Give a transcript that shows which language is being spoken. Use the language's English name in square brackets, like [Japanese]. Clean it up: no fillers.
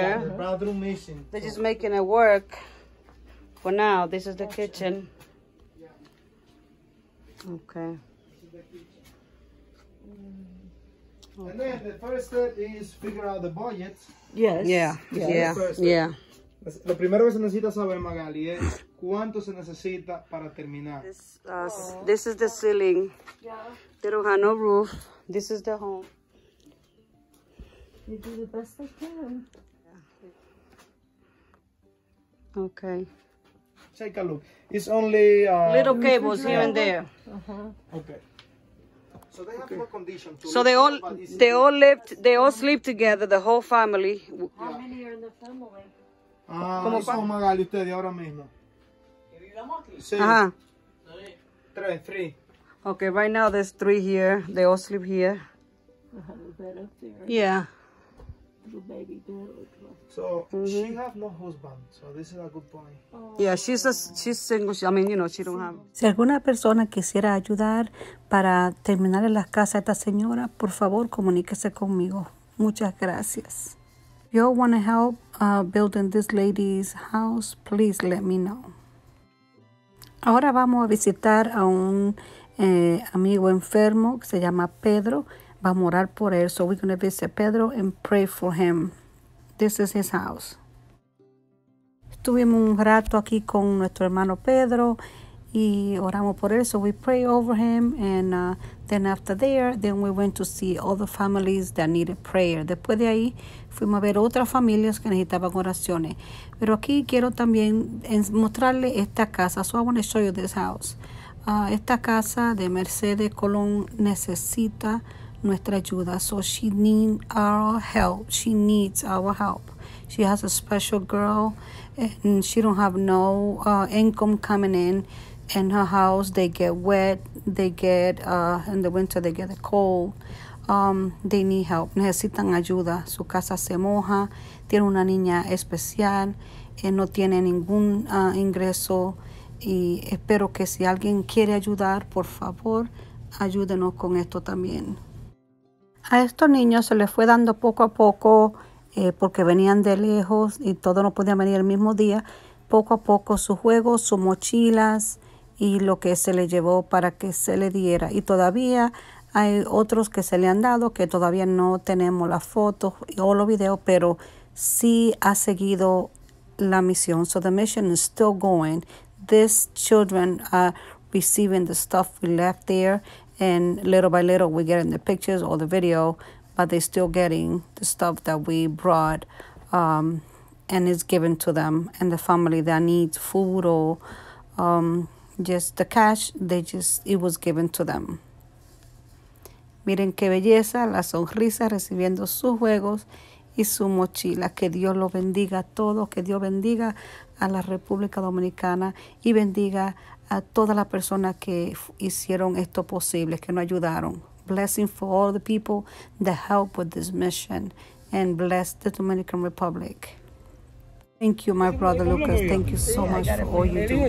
[English] Yeah, the bathroom missing. They're just making it work. For now, this is the kitchen. Yeah. Okay. And then the first step is figure out the budget. Yes. Yeah. [Spanish] Lo primero que se necesita saber, Magali, es cuánto se necesita para terminar. [English] This is the ceiling. Yeah. They don't have no roof. This is the home. You do the best I can. Yeah. Okay. Take a look. It's only little cables here and there. Okay. So they have more condition to. So they all sleep together, the whole family. How many are in the family? [Spanish] ¿Cómo son, Magali, ustedes ahora mismo? ¿Que vivamos aquí? Sí. Ajá. Tres. [English] Okay, right now there's three here. They all sleep here. A little bed up there. Yeah. Little baby girl. So, she have no husband, so this is a good point. Oh. Yeah, she's single. I mean, you know, she don't have. [Spanish] Si alguna persona quisiera ayudar para terminar en las casas a esta señora, por favor, comuníquese conmigo. Muchas gracias. [English] If you all want to help building this lady's house, please let me know. [Spanish] Ahora vamos a visitar a un amigo enfermo que se llama Pedro. Vamos a orar por él. [English] So we're going to visit Pedro and pray for him. This is his house. [Spanish] Estuvimos un rato aquí con nuestro hermano Pedro y oramos por él. [English] So we pray over him and then we went to see all the families that needed prayer. [Spanish] Después de ahí, fuimos a ver otras familias que necesitaban oraciones. Pero aquí quiero también mostrarle esta casa. [English] So I want to show you this house. [Spanish] Esta casa de Mercedes Colón necesita nuestra ayuda. [English] So she needs our help. She needs our help. She has a special girl and she don't have no income coming in. In her house, they get wet, they get, in the winter, they get cold. They need help. [Spanish] Necesitan ayuda. Su casa se moja. Tiene una niña especial. No tiene ningún ingreso. Y espero que si alguien quiere ayudar, por favor, ayúdenos con esto también. A estos niños se les fue dando poco a poco porque venían de lejos y todos no podían venir el mismo día. Poco a poco sus juegos, sus mochilas y lo que se le llevó para que se le diera. Y todavía hay otros que se le han dado que todavía no tenemos las fotos o los videos, pero sí ha seguido la misión. [English] So the mission is still going. These children are receiving the stuff we left there, and little by little we're getting the pictures or the video, but they're still getting the stuff that we brought, and it's given to them and the family that needs food or just the cash. It was given to them. [Spanish] Miren qué belleza, la sonrisa recibiendo sus juegos y su mochila. Que Dios lo bendiga a todos, que Dios bendiga a la República Dominicana y bendiga a todas las personas que hicieron esto posible, que nos ayudaron. [English] Blessing for all the people that help with this mission, and bless the Dominican Republic. Thank you, my brother Lucas. Thank you so much for all you do.